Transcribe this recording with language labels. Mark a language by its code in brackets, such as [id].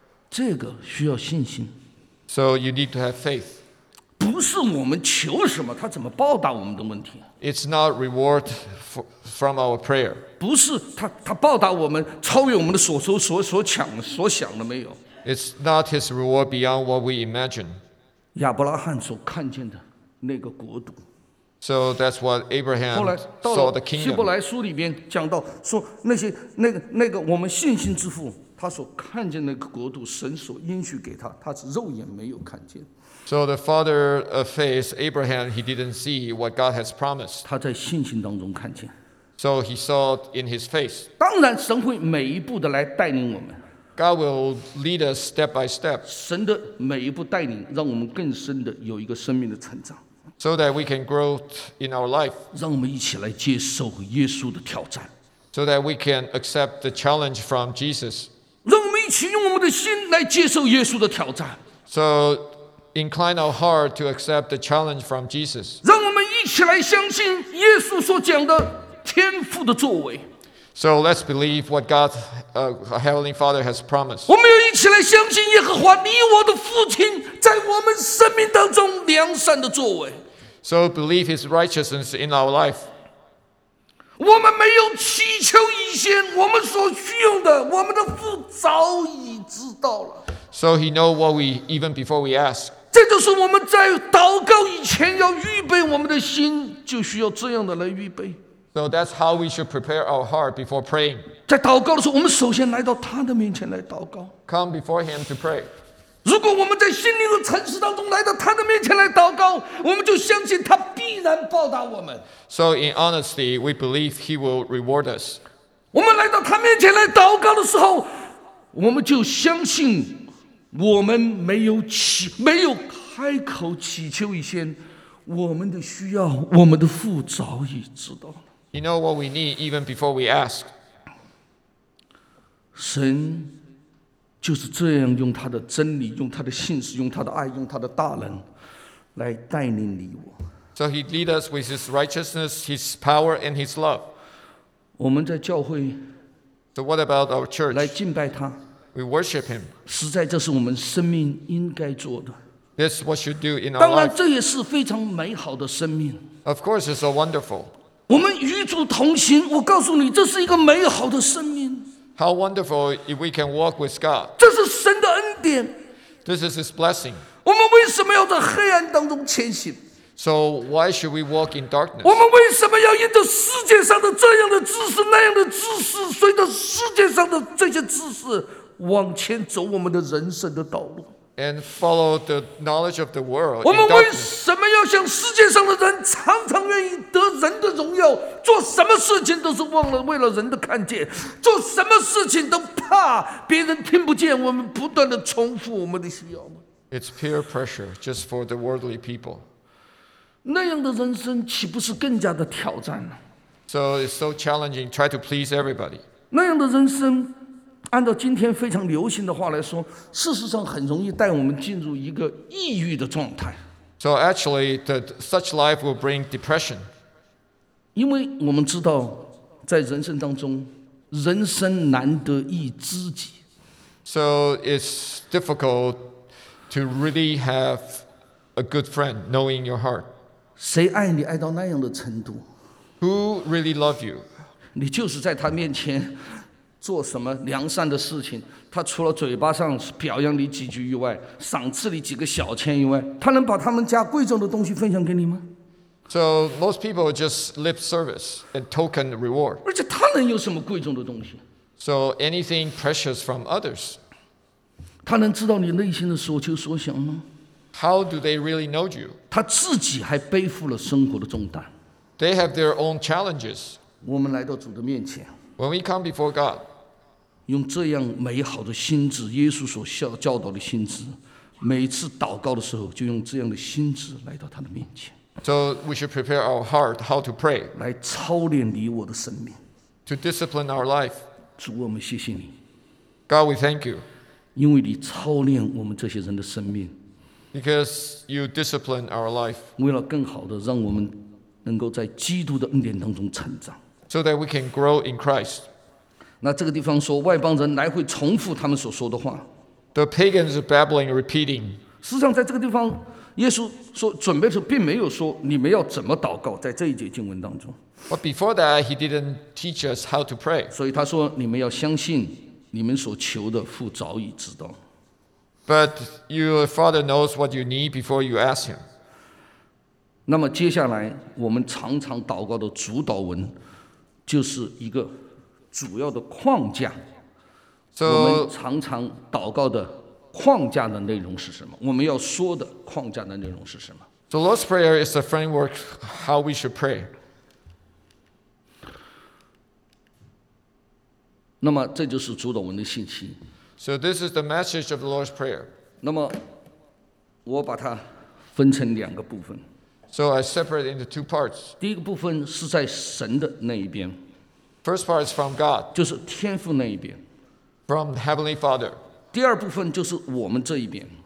[zh] 这个需要信心。 [en] So you need to have faith. [zh] 不是我们求什么，他怎么报答我们的问题。 [en] It's not reward from our prayer. [zh] 不是他报答我们，超越我们的所求所想所想了没有。 [en] It's not his reward beyond what we imagine. [zh] 亚伯拉罕所看见的那个国度。 [en] So that's what Abraham saw the kingdom. [zh] 希伯来书里面讲到说那些那个我们信心之父他所看见那个国度神所应许给他，他是肉眼没有看见。 [en] So the father of faith, Abraham, he didn't see what God has promised. [zh] 他在信心当中看见。 [en] So he saw it in his faith. [zh] 当然神会每一步的来带领我们。 [en] God will lead us step by step. [zh] 神的每一步带领让我们更深的有一个生命的成长。 [en] So that we can grow in our life. [zh] 让我们一起来接受耶稣的挑战。 [en] So that we can accept the challenge from Jesus. [zh] 让我们一起用我们的心来接受耶稣的挑战。 [en] So incline our heart to accept the challenge from Jesus. [zh] 让我们一起来相信耶稣所讲的天父的作为。 [en] So let's believe what God, Heavenly Father, has promised. [zh] 我们要一起来相信耶和华，你我的父亲，在我们生命当中良善的作为。 [en] So believe His righteousness in our life. [zh] 我们没有祈求以前我们所需要的，我们的父早已知道了。 [en] So He knows what we even before we ask. [zh] 这就是我们在祷告以前要预备我们的心，就需要这样的来预备。 [en] So that's how we should prepare our heart before praying. [zh] 在祷告的时候，我们首先来到他的面前来祷告。 [en] Come before him to pray. [zh] 如果我们在心灵的诚实当中来到他的面前来祷告，我们就相信他必然报答我们。 [en] So in honesty, we believe he will reward us. [zh] 我们来到他面前来祷告的时候，我们就相信我们没有开口祈求以前，我们的需要，我们的父早已知道。 [en] You know what we need even before we ask. [zh] 神就是这样用他的真理，用他的信实，用他的爱，用他的大能来带领你我。 [en] So he lead us with his righteousness, his power, and his love. [zh] 我们在教会。 [en] So what about our church? [zh] 来敬拜他。 [en] We worship him. [zh] 实在这是我们生命应该做的。 [en] This is what should do in our [zh] 当然这也是非常美好的生命。 [en] Of course, it's so wonderful. [zh] 我们与主同行，我告诉你，这是一个美好的生命。 [en] How wonderful if we can walk with God. [zh] 这是神的恩典。 [en] This is His blessing. [zh] 我们为什么要在黑暗当中前行？ [en] So why should we walk in darkness? [zh] 我们为什么要沿着世界上的这样的知识，那样的知识，随着世界上的这些知识往前走我们的人生的道路？ [en] And follow the knowledge of the world. [zh] 我们为什么要像世界上的人常常愿意得人的荣耀，做什么事情都是忘了为了人的看见，做什么事情都怕别人听不见，我们不断的重复我们的需要吗？ [en] It's peer pressure just for the worldly people. [zh] 那样的人生岂不是更加的挑战呢？ [en] So it's so challenging. Try to please everybody. [zh] 那样的人生按照今天非常流行的话来说，事实上很容易带我们进入一个抑郁的状态。 [en] So actually, such life will bring depression. [zh] 因为我们知道，在人生当中，人生难得一知己。 [en] So it's difficult to really have a good friend knowing your heart. [zh] 谁爱你爱到那样的程度 [en] ？Who really love you? [zh] 你就是在他面前做什么良善的事情，他除了嘴巴上表扬你几句以外，赏赐你几个小钱以外，他能把他们家贵重的东西分享给你吗？ [en] So most people just lip service and token reward. [zh] 而且他能有什么贵重的东西？ [en] So anything precious from others. [zh] 他能知道你内心的所求所想吗？ [en] How do they really know you? [zh] 他自己还背负了生活的重担。 [en] They have their own challenges. [zh] 我们来到主的面前。 [en] When we come before God, [zh] 用这样美好的心智，耶稣所教导的心智，每次祷告的时候，就用这样的心智来到他的面前。 [en] So we should prepare our heart how to pray. [zh] 来操练你我的生命。 [en] To discipline our life. [zh] 主，我们谢谢你。 [en] God, we thank you. [zh] 因为你操练我们这些人的生命。 [en] Because you discipline our life. [zh] 为了更好的让我们能够在基督的恩典当中成长。 [en] So that we can grow in Christ. [zh] 那这个地方说外邦人来回重复他们所说的话。 [en] The pagans are babbling, repeating. [zh] 实际上在这个地方耶稣说准备的时候并没有说你们要怎么祷告，在这一节经文当中。 [en] But before that, he didn't teach us how to pray. [zh] 所以他说你们要相信你们所求的父早已知道。 [en] But your father knows what you need before you ask him. [zh] 那么接下来我们常常祷告的主导文就是一个主要的框架，我们常常祷告的框架的内容是什么？我们要说的框架的内容是什么？ [en] The Lord's Prayer is a framework how we should pray. [zh] 那么这就是主导文的信息。 [en] So this is the message of the Lord's Prayer. [zh] 那么我把它分成两个部分。 [en] So I separate it into two parts. [zh] 第一个部分是在神的那一边。 [en] First part is from God. [zh] 就是天父那一边。 [en] From the Heavenly Father. [zh] 第二部分就是我们这一边。